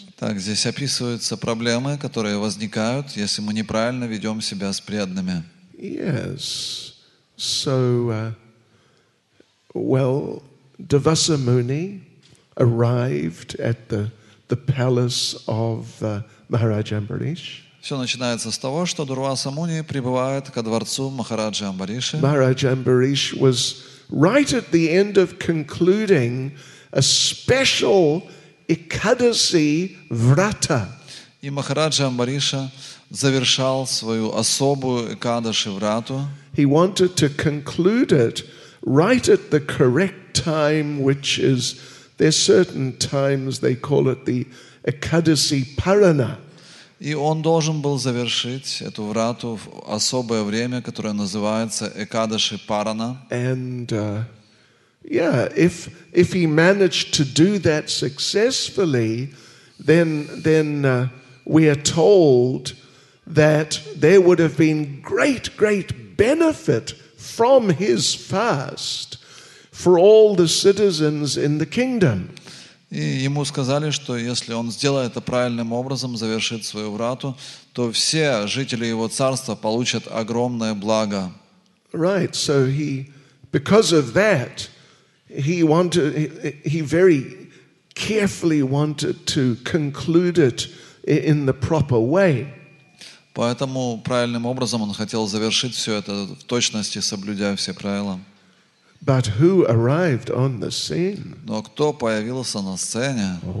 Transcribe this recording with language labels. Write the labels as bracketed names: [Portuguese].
[Russian] Так, здесь описываются проблемы, которые возникают, если мы неправильно ведем себя с преданными. [English] Yes. So, well, Devasamuni arrived at the palace of Maharaj Ambarish. [Russian] Все начинается с того, что Дурваса Муни прибывает ко дворцу Махараджи Амбариши. [English] Maharaj Ambarish was right at the end of concluding a special Ekadasi Vrata. [Russian] И Махараджа Амбариша завершал свою особую Экадаши Врату. [English] He wanted to conclude it right at the correct time, which is, there are certain times they call it the Ekadasi Parana. [Russian] И он должен был завершить эту Врату в особое время, которое называется Экадаши Парана. [English] And if he managed to do that successfully, then we are told that there would have been great, great benefit from his fast for all the citizens in the kingdom. [Russian] И ему сказали, что если он сделает это правильным образом, завершит свою врату, то все жители его царства получат огромное благо. [English] Right, so he, because of that, He very carefully wanted to conclude it in the proper way. [Russian] Поэтому правильным образом он хотел завершить все это в точности, соблюдая все правила. [English] But who arrived on the scene? [Russian] Но кто появился на сцене?